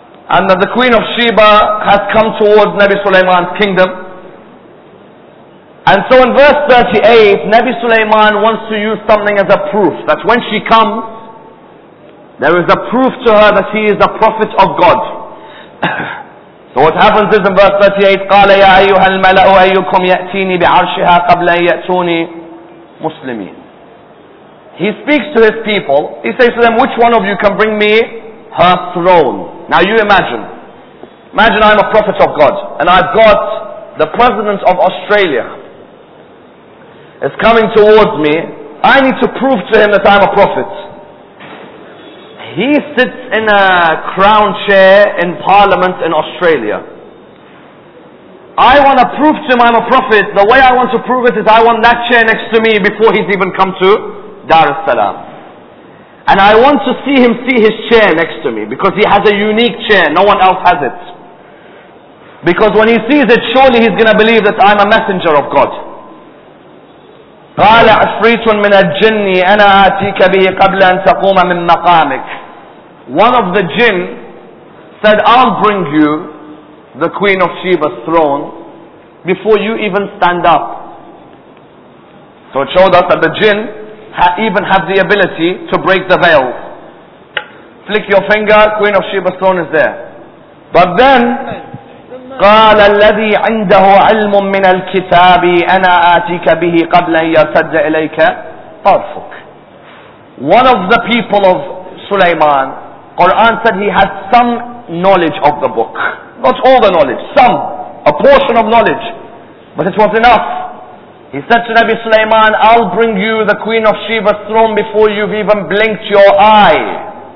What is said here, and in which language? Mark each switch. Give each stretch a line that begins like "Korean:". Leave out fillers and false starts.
English: And that the Queen of Sheba has come towards Nabi Sulaiman's kingdom. And so in verse 38, Nabi Sulaiman wants to use something as a proof that when she comes, there is a proof to her that he is a prophet of God. So what happens is in verse 38,
Arabic: قَالَ يَا أَيُّهَا الْمَلَأُ أَيُّكُمْ يَأْتِينِي بِعَرْشِهَا قَبْلَ يَأْتُونِي مُسْلِمِينَ.
English: He speaks to his people, he says to them, which one of you can bring me her throne? Now you imagine. Imagine I'm a prophet of God, and I've got the president of Australia. It's coming towards me. I need to prove to him that I'm a prophet. He sits in a crown chair in Parliament in Australia. I want to prove to him I'm a prophet. The way I want to prove it is I want that chair next to me before he's even come to Dar es Salaam. And I want to see him see his chair next to me because he has a unique chair. No one else has it. Because when he sees it, surely he's going to believe that I'm a messenger of God.
Arabic: قال عفريت من الجن أنا آتيك به قبل أن تقوم من مقامك.
English: One of the jinn said, I'll bring you the Queen of Sheba's throne before you even stand up. So it showed us that the jinn even have the ability to break the veil. Flick your finger, Queen of Sheba's throne is there. But then,
Arabic: قال الذي عنده علم من الكتاب أنا آتيك به قبل أن يرتد إليك طرفك.
English: One of the people of Sulaiman, Quran said he had some knowledge of the book. Not all the knowledge, some. A portion of knowledge. But it was enough. He said to Nabi Sulaiman, I'll bring you the Queen of Sheba's throne before you've even blinked your eye.